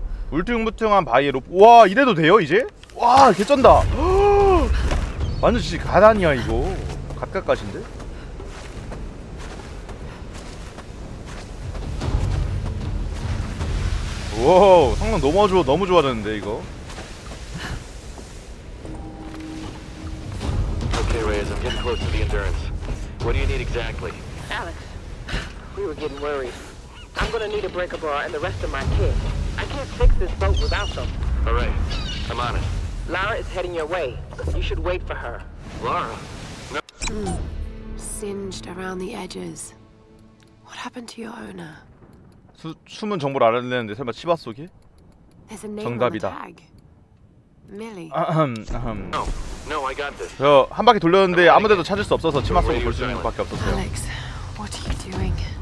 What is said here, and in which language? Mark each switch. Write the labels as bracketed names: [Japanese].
[Korean] 울퉁불퉁한 바위에 로. 와 이래도 돼요 이제? 와 개쩐다. 완전 진짜 가단이야 이거. 갓갓갓인데? 오 성능 너무 좋아 너무 좋아졌는데 이거. [English] Okay, Reyes, I'm getting close to the Endurance. What do you need exactly? Alex, we were getting worried. I'm gonna need a breaker bar and the rest of my kit. I can't fix this boat without them. All right, I'm on it. Lara is heading your way. You should wait for her. Lara? No. Singed around the edges. What happened to your owner? [Korean] 숨은 정보를 알아내는데 설마 치바 속에? 정답이다. [English] Millie. No, no, I got this. [Korean] 저 한 바퀴 돌렸는데 아무데도 찾을 수 없어서 치마 속을 볼 수 있는 것밖에 없었어요. [English] Alex, what are you doing?